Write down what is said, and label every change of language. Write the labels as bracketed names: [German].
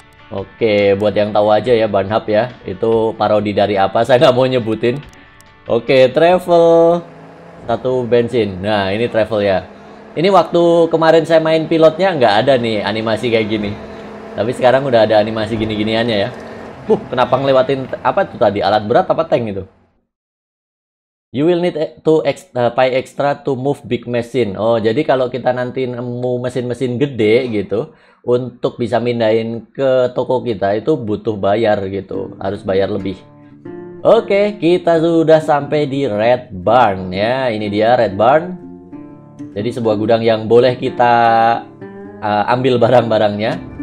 [Indonesian] Oke, buat yang tahu aja ya, Barn Hub ya, itu parodi dari apa, saya nggak mau nyebutin. Oke, travel satu bensin. Nah ini travel ya, ini waktu kemarin saya main pilotnya nggak ada nih animasi kayak gini, tapi sekarang udah ada animasi gini-giniannya ya. Kenapa ngelewatin apa itu tadi, alat berat apa tank itu? [English] You will need to buy extra to move big machine. [Indonesian] Oh, jadi kalau kita nanti nemu mesin-mesin gede gitu, untuk bisa mindahin ke toko kita itu butuh bayar gitu, harus bayar lebih. Oke, kita sudah sampai di Red Barn ya. Ini dia Red Barn. Jadi sebuah gudang yang boleh kita ambil barang-barangnya.